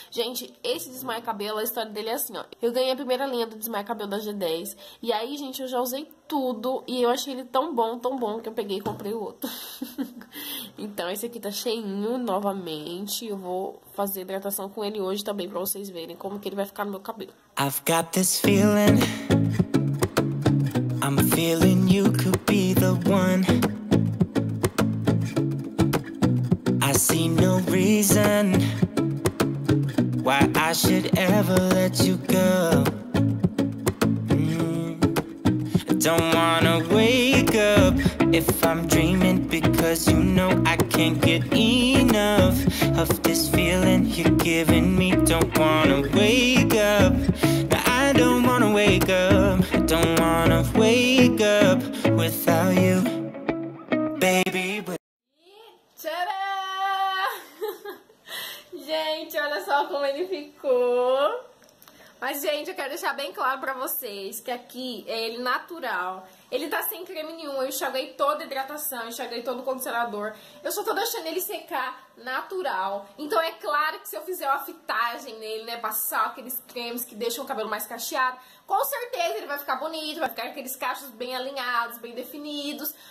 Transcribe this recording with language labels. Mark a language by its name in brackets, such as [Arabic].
[Portuguese] Gente, esse Desmaia Cabelo, a história dele é assim, ó. Eu ganhei a primeira linha do Desmaia Cabelo da G10. E aí, gente, eu já usei tudo. E eu achei ele tão bom, que eu peguei e comprei o outro. Então, esse aqui tá cheinho novamente. Eu vou fazer hidratação com ele hoje também, pra vocês verem como que ele vai ficar no meu cabelo. [English] I've got this feeling. I'm feeling you could be the one. I see no reason why I should ever let you go. Don't wanna wake up if I'm dreaming, because you know I can't get enough of this feeling you're giving me. Don't wanna wake up. I don't wanna wake up, I don't wanna wake up without you, baby. [Portuguese] Tcharam! Gente, olha só como ele ficou. Mas, gente, eu quero deixar bem claro pra vocês que aqui é ele natural. Ele tá sem creme nenhum, eu enxaguei toda a hidratação, enxaguei todo o condicionador. Eu só tô deixando ele secar natural. Então, é claro que se eu fizer uma fitagem nele, né, passar aqueles cremes que deixam o cabelo mais cacheado, com certeza ele vai ficar bonito, vai ficar aqueles cachos bem alinhados, bem definidos.